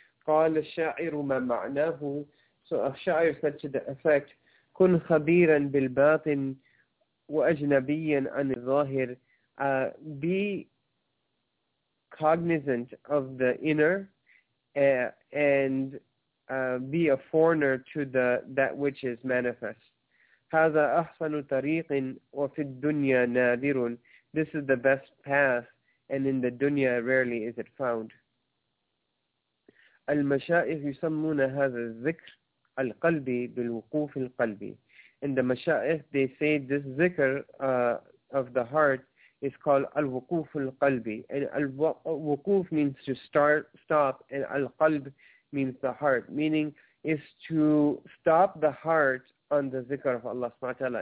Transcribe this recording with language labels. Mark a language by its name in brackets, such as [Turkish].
[Arabic] قَالَ الشَّاعِرُ مَا مَعْنَاهُ. [English] So a shair said to the effect, [Arabic] كُنْ خَبِيرًا بِالْبَاطِنِ وَأَجْنَبِيًا عَنِ الظَّاهِرِ. [English] Be cognizant of the inner and be a foreigner to that which is manifest. [Arabic] هذا أحسن طريق وفي الدنيا نادر. [English] This is the best path and in the dunya rarely is it found. [Arabic] المشائخ يسمون هذا الذكر القلب بالوقوف القلب. [English] And the مشائخ, they say this ذكر of the heart is called al-wukuf al-qalbi. And al-wukuf means to stop, and al-qalb means the heart, meaning is to stop the heart on the zikr of Allah subhanahu wa ta'ala.